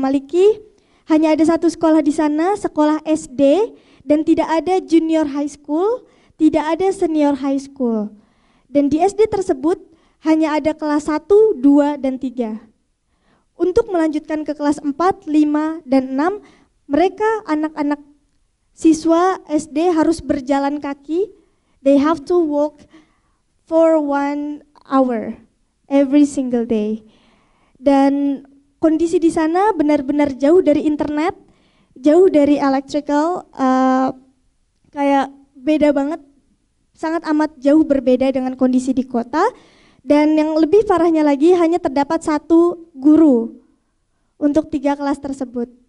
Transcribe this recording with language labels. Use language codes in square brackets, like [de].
[id] Maliki, hanya ada satu sekolah di sana, sekolah SD, dan tidak ada junior high school, tidak ada senior high school. Dan di SD tersebut, hanya ada kelas 1, 2, dan 3. Untuk melanjutkan ke kelas 4, 5, dan 6, mereka anak-anak siswa SD harus berjalan kaki. [en] They have to walk for 1 hour every single day. [id] Dan kondisi di sana benar-benar jauh dari internet, jauh dari electrical, kayak beda banget, sangat amat jauh berbeda dengan kondisi di kota. Dan yang lebih parahnya lagi, hanya terdapat 1 guru untuk 3 kelas tersebut.